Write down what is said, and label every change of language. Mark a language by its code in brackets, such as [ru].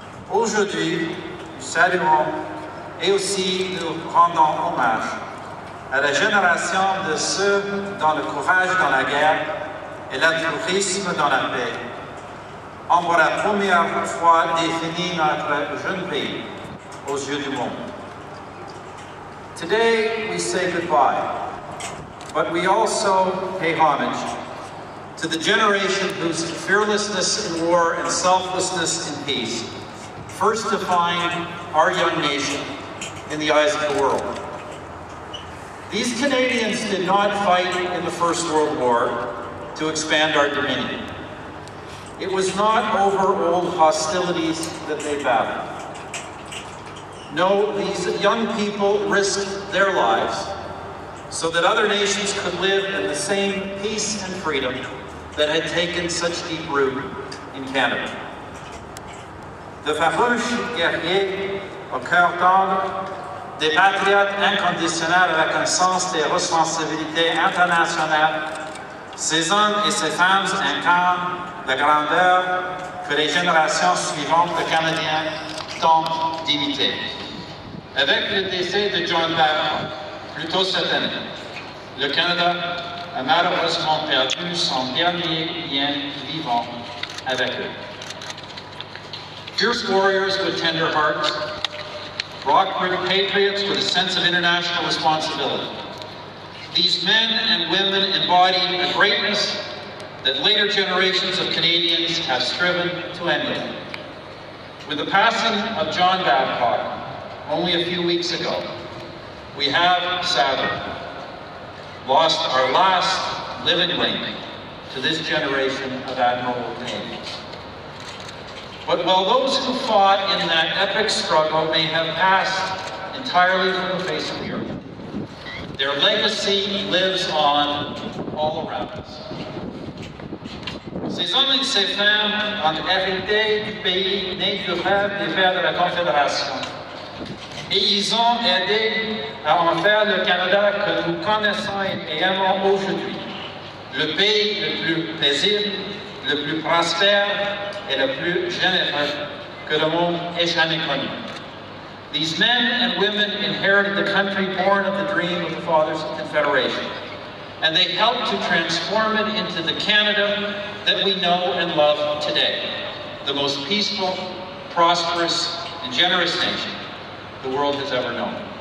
[fr] Aujourd'hui, nous saluons et aussi nous rendons hommage à la génération de ceux dont le courage dans la guerre et l'altruisme dans la paix ont pour la première fois défini notre jeune pays aux yeux du monde. [en] Today, we say goodbye. But we also pay homage to the generation whose fearlessness in war and selflessness in peace first defined our young nation in the eyes of the world. These Canadians did not fight in the First World War to expand our dominion. It was not over old hostilities that they battled. No, these young people risked their lives so that other nations could live in the same peace and freedom that had taken such deep root in Canada. [fr] De farouches guerriers au cœur d'homme, des patriotes inconditionnels avec un sens des responsabilités internationales, ces hommes et ces femmes incarnent la grandeur que les générations suivantes de Canadiens tentent d'imiter. Avec le décès de John Barron, plus tôt cette année, le Canada a malheureusement perdu son dernier lien vivant avec eux. [en] Fierce warriors with tender hearts, rock-ribbed patriots with a sense of international responsibility, these men and women embody a greatness that later generations of Canadians have striven to emulate. With the passing of John Babcock only a few weeks ago, we have, sadly, lost our last living link to this generation of admirable Canadians. But while those who fought in that epic struggle may have passed entirely from the face of Europe, their legacy lives on all around us. [fr] Ces hommes et ces femmes ont hérité du pays né du rêve des pères de la Confédération. Et ils ont aidé à en faire le Canada que nous connaissons et aimons aujourd'hui, le pays le plus paisible, le plus prospère et le plus généreux que le monde ait jamais connu. [en] These men and women inherited the country born of the dream of the Fathers of Confederation, and they helped to transform it into the Canada that we know and love today, the most peaceful, prosperous, and generous nation the world has ever known.